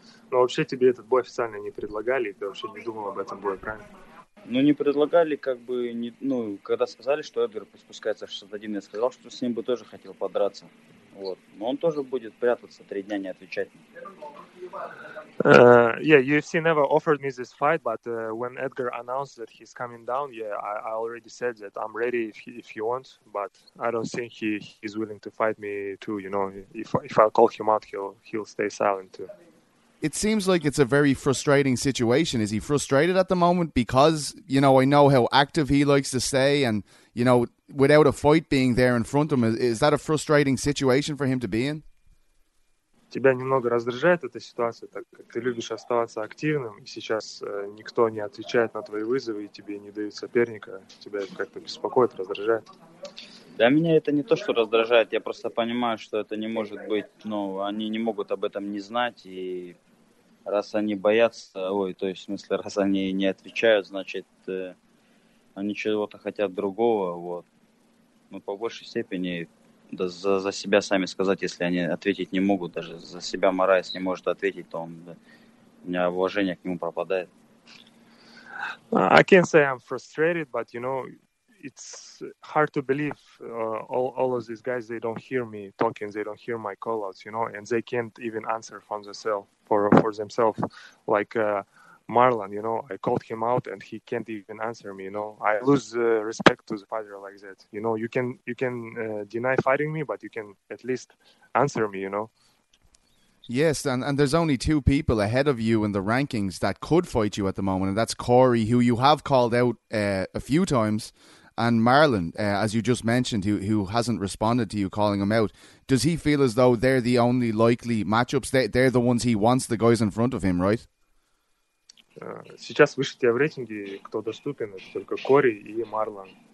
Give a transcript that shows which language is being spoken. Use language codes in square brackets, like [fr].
[ru] Ну вообще тебе этот бой официально не предлагали, ты вообще не думал об этом бою, правильно? Ну не предлагали, как бы не, ну когда сказали, что Эдгар спускается в 61, я сказал, что с ним бы тоже хотел подраться. Вот. Но он тоже будет прятаться 3 дня, не отвечать. [en] Yeah, UFC never offered me this fight, but when Edgar announced that he's coming down, yeah, I already said that I'm ready if you want, but I don't think he's willing to fight me too, you know, if I call him out, he'll stay silent too. It seems like it's a very frustrating situation. Is he frustrated at the moment? Because, you know, I know how active he likes to stay and, you know, without a fight being there in front of him, is that a frustrating situation for him to be in? [ru] Тебя немного раздражает эта ситуация, так как ты любишь оставаться активным, и сейчас никто не отвечает на твои вызовы, и тебе не дают соперника. Тебя это как-то беспокоит, раздражает. Да, меня это не то, что раздражает. Я просто понимаю, что это не может быть, но они не могут об этом не знать. И раз они боятся, раз они не отвечают, значит, они чего-то хотят другого. Вот. Но по большей степени... Да за себя сами сказать, если они ответить не могут, даже за себя Морайс не может ответить, то у меня уважение к нему пропадает. [en] I can't say I'm frustrated, but you know, it's hard to believe all of these guys, they don't hear me talking, they don't hear my call-outs, you know, and they can't even answer for themselves. Like Marlon, you know, I called him out and he can't even answer me, you know. I lose respect to the fighter like that. You know, you can deny fighting me, but you can at least answer me, you know. Yes, and there's only two people ahead of you in the rankings that could fight you at the moment, and that's Corey, who you have called out a few times, and Marlon, as you just mentioned, who hasn't responded to you calling him out. Does he feel as though they're the only likely matchups? They're the ones he wants, the guys in front of him, right? [ru] Сейчас вышли в рейтинге, кто доступен, это только Кори и Марлон.